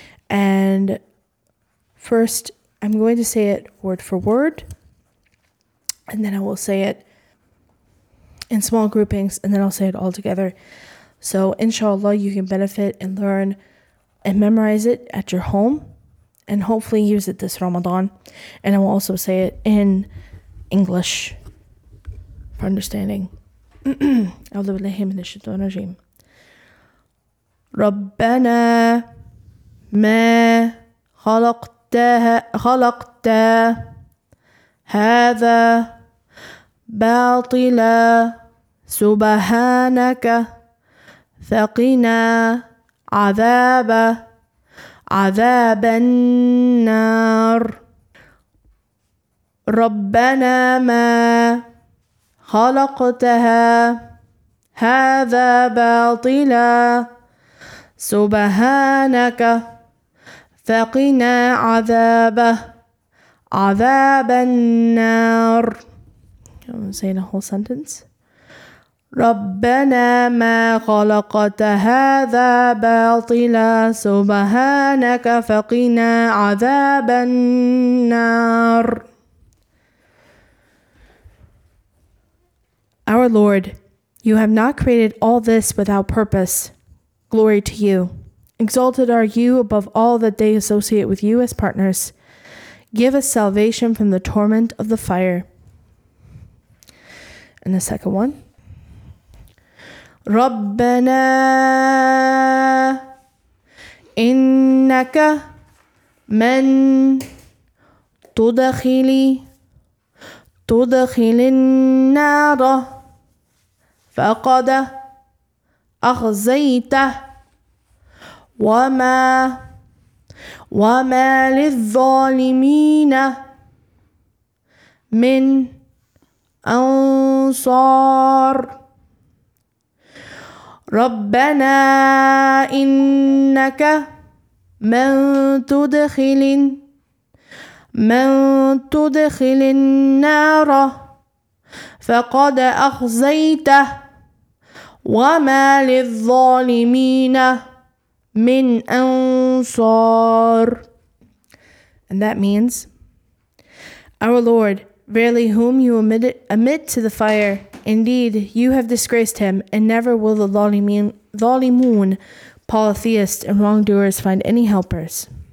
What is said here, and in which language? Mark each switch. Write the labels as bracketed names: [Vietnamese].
[English] And first, I'm going to say it word for word, and then I will say it in small groupings, and then I'll say it all together. So, inshallah, you can benefit and learn and memorize it at your home, and hopefully use it this Ramadan. And I will also say it in English for understanding. [Arabic] أعوذ بالله من الشيطان الرجيم ربنا ما خلقت هذا باطلا سبحانك فقنا عذاب النار ربنا ما خلقتها هذا باطلا سبحانك فقنا عذابه عذاب النار. [English] I'm saying a whole sentence. [Arabic] ربنا ما خلقت هذا باطلا سبحانك فقنا عذاب النار. [English] Our Lord, you have not created all this without purpose. Glory to you. Exalted are you above all that they associate with you as partners. Give us salvation from the torment of the fire. And the second one. [Arabic] ربنا إنك من تدخل النار فقد أخزيته وما للظالمين من أنصار. ربنا إنك من تدخل النار فقد أخزيته وما للظالمين من أنصار. [English] And that means, Our Lord, verily whom you admit to the fire, indeed you have disgraced him, and never will the Zalimun, polytheists and wrongdoers find any helpers.